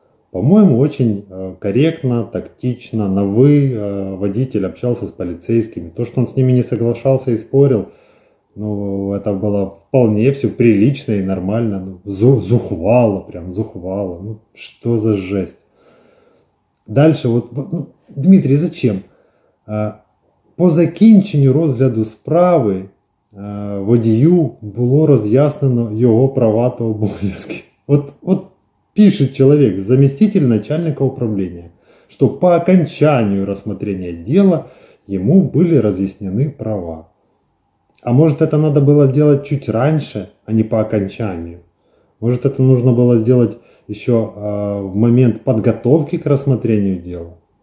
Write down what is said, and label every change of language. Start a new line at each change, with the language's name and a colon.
Russian: По-моему, очень корректно, тактично, на вы водитель общался с полицейскими. То, что он с ними не соглашался и спорил, ну, это было вполне все прилично и нормально. Ну, зухвало прям, зухвало. Ну, что за жесть. Дальше вот ну, Дмитрий, зачем?
Ukrainian: По закінченню розгляду справи водію було роз'яснено його права та обов'язки.
Russian: От пишет человек, заместитель начальника управления, что по окончанию рассмотрения дела ему были разъяснены права. А может, это надо было сделать чуть раньше, а не по окончанию? Может, это нужно было сделать еще в момент подготовки к рассмотрению дела?